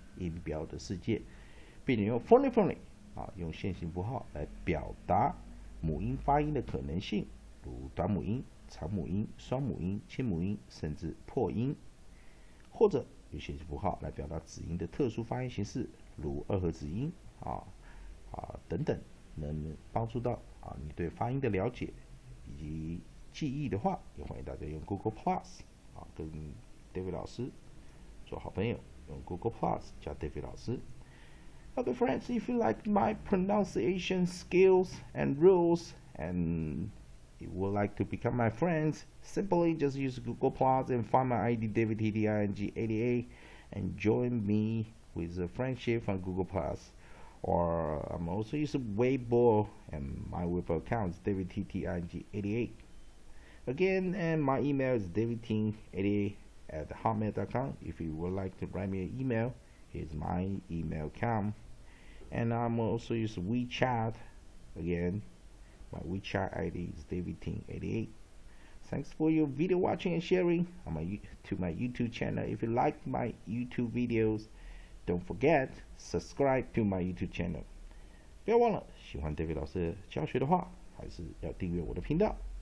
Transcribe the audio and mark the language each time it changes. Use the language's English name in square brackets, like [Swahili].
[Chinese] 音标的世界，并且用 phonemic 用线性符号来表达母音发音的可能性，如短母音、长母音、双母音、轻母音，甚至破音，或者用线性符号来表达子音的特殊发音形式，如二合子音等等，能帮助到你对发音的了解以及记忆的话，也欢迎大家用 Google Plus 跟 David 老师做好朋友。 On Google Plus, 加 David 老师。 [English] Okay, friends, if you like my pronunciation skills and rules, and you would like to become my friends, simply just use Google Plus and find my ID DavidTDING88 and join me with a friendship on Google Plus. Or I'm also using Weibo and my Weibo account is DavidTDING88. Again, and my email is DavidTing88@hotmail.com. If you would like to write me an email, here's my email account. And I'm also using WeChat. Again, my WeChat ID is DavidTing88. Thanks for your video watching and sharing to my YouTube channel. If you like my YouTube videos, don't forget subscribe to my YouTube channel. [Chinese] 不要忘了，喜欢 David 老师教学的话，还是要订阅我的频道。